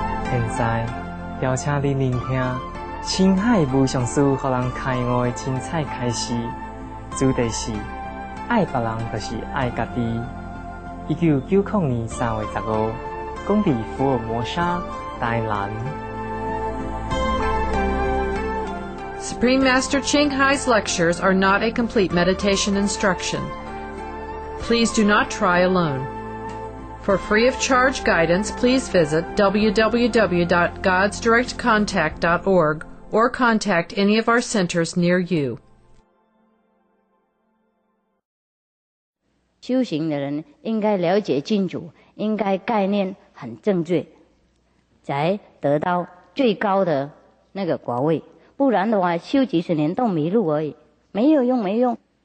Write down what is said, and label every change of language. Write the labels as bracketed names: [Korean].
[Chinese] 现在邀请您聆听深海无上师给人开悟的精彩开始，主题是爱别人就是爱家己。 1990年3月15日，讲在福尔摩沙台南。 [English] Supreme Master Ching Hai's lectures are not a complete meditation instruction. Please do not try alone. For free of charge guidance, please visit www.godsdirectcontact.org or contact any of our centers near you. [Chinese] 修行的人应该了解净土，应该概念很正确，才得到最高的那个果位。不然的话，修几十年都迷路而已，没有用，没用。